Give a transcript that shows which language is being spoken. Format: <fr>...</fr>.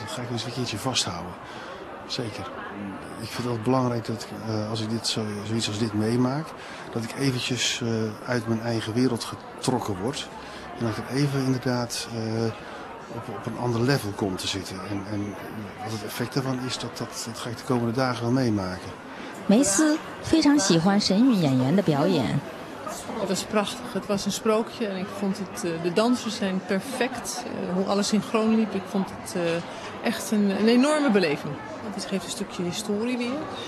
<nl>Dat ga ik eens een keertje vasthouden. Zeker. Ik vind het belangrijk dat als ik zoiets als dit meemaak, dat ik eventjes uit mijn eigen wereld getrokken word. En dat ik even inderdaad op een ander level komt te zitten. En wat het effect daarvan is, dat ga ik de komende dagen wel meemaken.</nl> <zh>梅斯非常喜欢神韵演员的表演。</zh> <nl>Het was prachtig. Het was een sprookje en ik vond het. De dansers zijn perfect. Hoe alles synchroon liep, ik vond het echt een enorme beleving. Het geeft een stukje historie weer.</nl>